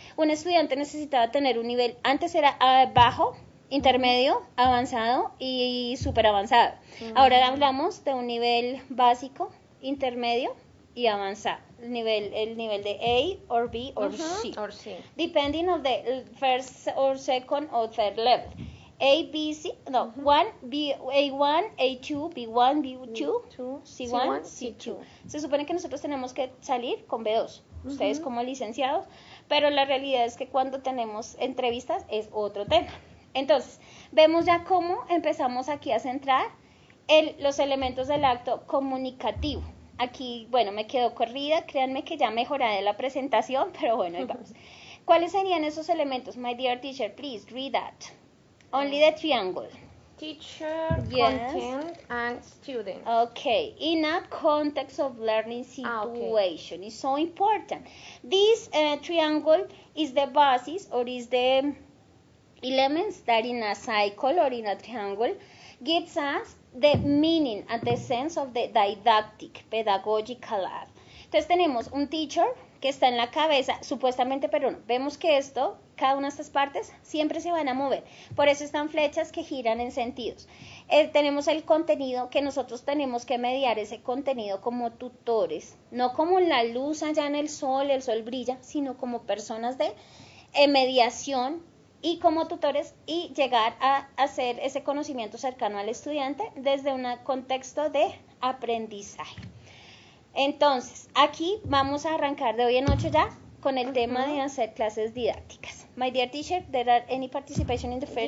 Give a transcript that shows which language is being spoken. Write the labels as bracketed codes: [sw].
[es] Un estudiante necesitaba tener un nivel, antes era bajo, intermedio, avanzado y súper avanzado. Ahora hablamos de un nivel básico, intermedio y avanzado. El nivel de [en] A or B or C. Or C. Depending of the first or second or third level. A, B, C, no, one, B, A1, A2, B1, B2, C1, C2. [es] Se supone que nosotros tenemos que salir con B2, ustedes como licenciados, pero la realidad es que cuando tenemos entrevistas es otro tema. Entonces, vemos ya cómo empezamos aquí a centrar los elementos del acto comunicativo. Aquí, bueno, me quedo corrida, créanme que ya mejoré la presentación, pero bueno, ahí vamos. ¿Cuáles serían esos elementos? [en] My dear teacher, please read that. Only the triangle. Teacher, yes. Content, and student. Okay, in a context of learning situation. Okay. It's so important. This triangle is the basis or is the elements that in a cycle or in a triangle gives us the meaning and the sense of the didactic, pedagogical act. [es] Entonces tenemos un teacher que está en la cabeza, supuestamente, pero no. Vemos que esto, cada una de estas partes, siempre se van a mover. Por eso están flechas que giran en sentidos. Tenemos el contenido, que nosotros tenemos que mediar ese contenido como tutores. No como la luz allá en el sol brilla, sino como personas de mediación y como tutores y llegar a hacer ese conocimiento cercano al estudiante desde un contexto de aprendizaje. Entonces, aquí vamos a arrancar de hoy en ocho ya con el tema de hacer clases didácticas. [en] My dear teacher, there are any participation in the fair?